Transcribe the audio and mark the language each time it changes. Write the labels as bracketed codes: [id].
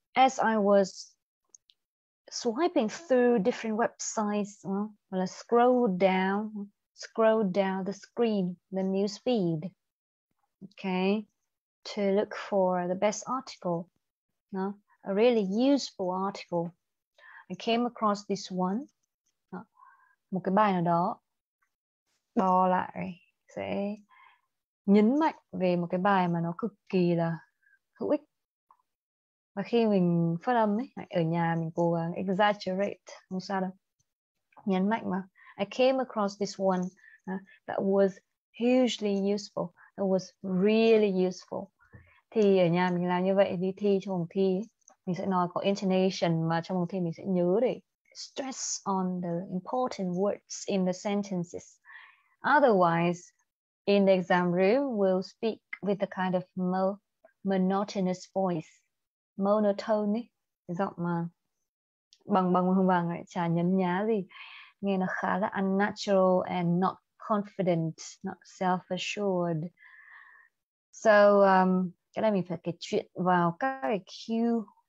[en] As I was swiping through different websites, well, I scrolled down the screen, the news feed, okay, to look for the best article, no, a really useful article. I came across this one, [vi] một cái bài nào đó. Đo lại sẽ nhấn mạnh về một cái bài mà nó cực kỳ là hữu ích. Và khi mình phát âm ấy, ở nhà mình cố gắng exaggerate, không sao đâu. Nhấn mạnh mà. [en] I came across this one that was hugely useful. It was really useful. [vi] Thì ở nhà mình làm như vậy, đi thi trong vòng thi ấy, mình sẽ nói có intonation mà trong vòng thi mình sẽ nhớ để [en] stress on the important words in the sentences. Otherwise, in the exam room, we'll speak with a kind of monotonous voice. [vi] Monotone, giọng mà bằng, ấy, chả nhấn nhá gì. Nghe nó khá là [en] unnatural and not confident, not self-assured. [vi] So, cái này mình phải kể chuyện vào các cái cue.